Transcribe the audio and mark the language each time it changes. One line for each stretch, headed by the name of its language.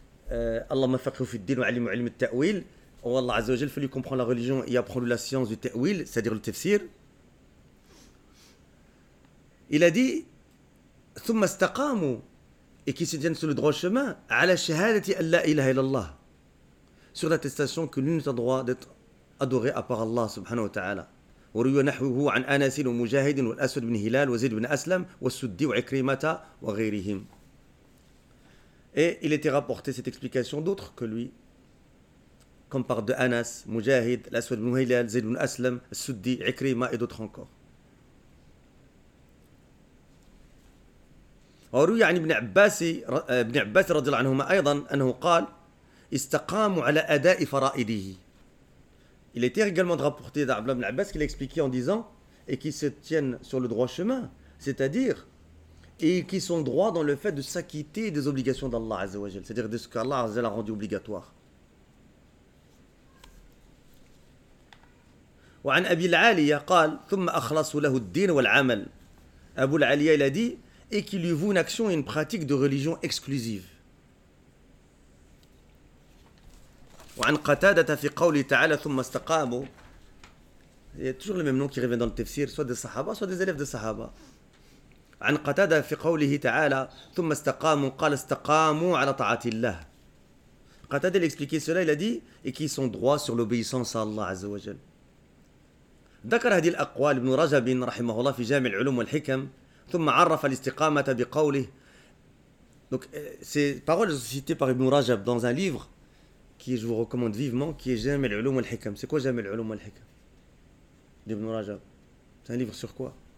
Arabic: Allahumma faqihu fi d-din wa 'allimhu 'ilm at-ta'wil.
French: Oh Allah Azza wa Jalla, fais-lui comprendre la religion et apprends-lui la science du ta'wil, c'est-à-dire le tafsir. Il a dit: thumma istaqamu, et qui se tiennent sur le droit chemin,
Arabic: 'ala shahadati an la ilaha illallah,
French: sur l'attestation que l'un n'est en droit d'être adoré à part Allah subhanahu wa ta'ala.
Arabic: وروي نحوه عن أنس ومجاهد والأسود بن هلال وزيد بن أسلم والسدي وعكرمة وغيرهم.
French: Et il était rapporté cette explication d'autres que lui, comme par de Anas, Mujahid, l'Aswad ibn Hilal, Zayd ibn Aslam, Suddi, Ikrima et d'autres encore.
Arabic: وروي يعني ابن عباس رضي الله عنهما أيضا أنه قال استقاموا على أداء فرائضه.
French: Il était également rapporté d'Abdullah ibn Abbas qui l'expliquait en disant et qui se tiennent sur le droit chemin, c'est-à-dire et qui sont droits dans le fait de s'acquitter des obligations d'Allah Azza wa Jalla, c'est-à-dire de ce qu'Allah Azza a rendu obligatoire.
Arabic: وعن أبي العالية قال ثم أخلصوا له الدين والعمل.
French: أبو العالية il a dit et qui lui voue une action et une pratique de religion exclusive.
Arabic: وعن قتادة في قوله تعالى ثم استقاموا.
French: Il y a toujours le même nom qui revient dans le tafsir, soit des sahaba, soit des élèves de sahaba.
Arabic: عن قتادة في قوله تعالى ثم استقاموا قال استقاموا على طاعة الله.
French: قتادة il a expliqué cela, il a dit et qui sont droits sur l'obéissance à Allah Azza wa Jal.
Arabic: ذكر هذه الأقوال ابن رجب رحمه الله في جامع العلوم والحكم ثم عرف الاستقامة بقوله.
French: Donc ces paroles sont citées par Ibn Rajab dans un livre qui je vous recommande vivement qui est جامع العلوم والحكم. C'est quoi جامع العلوم والحكم d'Ibn Rajab? C'est un livre sur quoi?